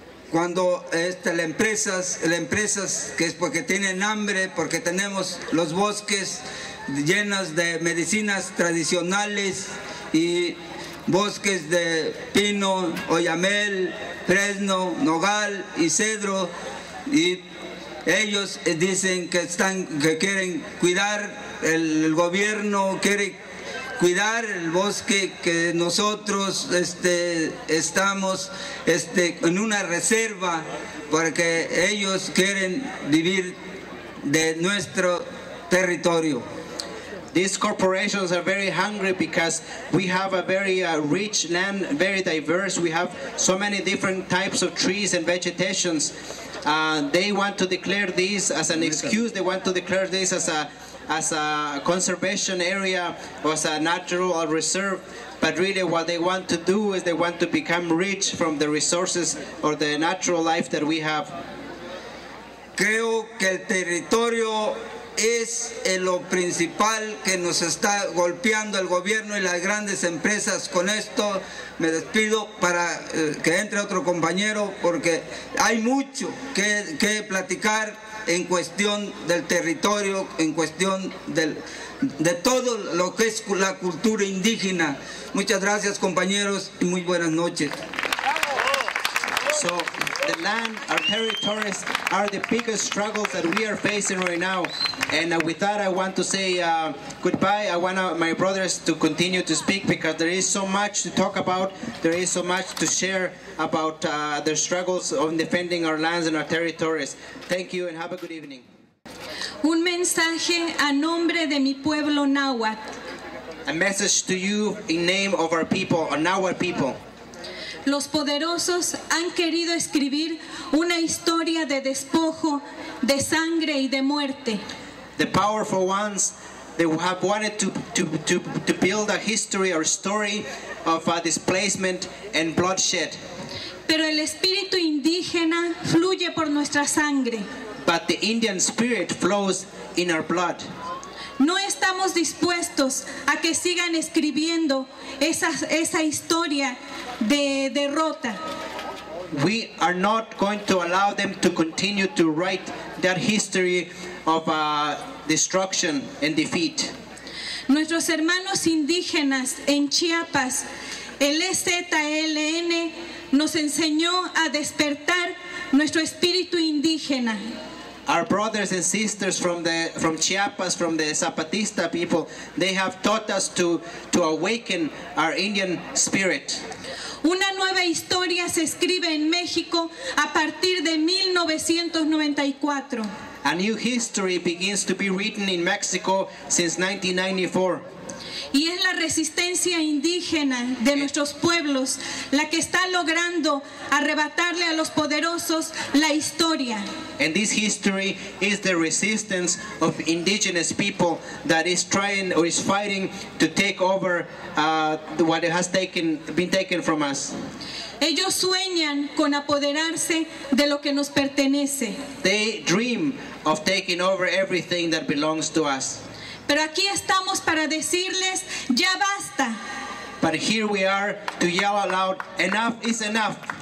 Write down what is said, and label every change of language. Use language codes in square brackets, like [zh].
[es] Cuando las empresas que es porque tienen hambre, porque tenemos los bosques llenos de medicinas tradicionales y bosques de pino, oyamel, fresno, nogal y cedro, y ellos dicen que quieren cuidar, el gobierno quiere cuidar el bosque, que nosotros estamos en una reserva, porque ellos quieren vivir de nuestro territorio. [en] These corporations are very hungry because we have a very rich land, very diverse. We have so many different types of trees and vegetations. They want to declare this as an excuse. They want to declare this as a conservation area or as a natural reserve. But really what they want to do is they want to become rich from the resources or the natural life that we have. [es] Creo que el territorio es lo principal que nos está golpeando el gobierno y las grandes empresas. Con esto me despido para que entre otro compañero, porque hay mucho que platicar en cuestión del territorio, en cuestión de todo lo que es la cultura indígena. Muchas gracias, compañeros, y muy buenas noches. [en] So, the land, our territories, are the biggest struggles that we are facing right now. And with that, I want to say goodbye. I want my brothers to continue to speak, because there is so much to talk about. There is so much to share about the struggles of defending our lands and our territories. Thank you, and have a good evening. [es] Un mensaje a nombre de mi pueblo Nahuatl. [en] A message to you in name of our people, our Nahuatl people. [es] Los poderosos han querido escribir una historia de despojo, de sangre y de muerte. [en] The powerful ones, they have wanted to build a history or story of displacement and bloodshed. [es] Pero el espíritu indígena fluye por nuestra sangre. [en] But the Indian spirit flows in our blood. [es] No estamos dispuestos a que sigan escribiendo esa historia de derrota. [en] We are not going to allow them to continue to write that history of destruction and defeat. [es] Nuestros hermanos indígenas en Chiapas, el EZLN, nos enseñó a despertar nuestro espíritu indígena. [en] Our brothers and sisters from Chiapas, from the Zapatista people, they have taught us to awaken our Indian spirit. [es] Una nueva historia se escribe en México a partir de 1994. [en] A new history begins to be written in Mexico since 1994. [es] Y es la resistencia indígena de nuestros pueblos la que está logrando arrebatarle a los poderosos la historia. [en] And this history is the resistance of indigenous people that is trying or is fighting to take over what has been taken from us. [es] Ellos sueñan con apoderarse de lo que nos pertenece. [en] They dream of taking over everything that belongs to us. [es] Pero aquí estamos para decirles, ya basta. [en] But here we are to yell aloud, enough is enough.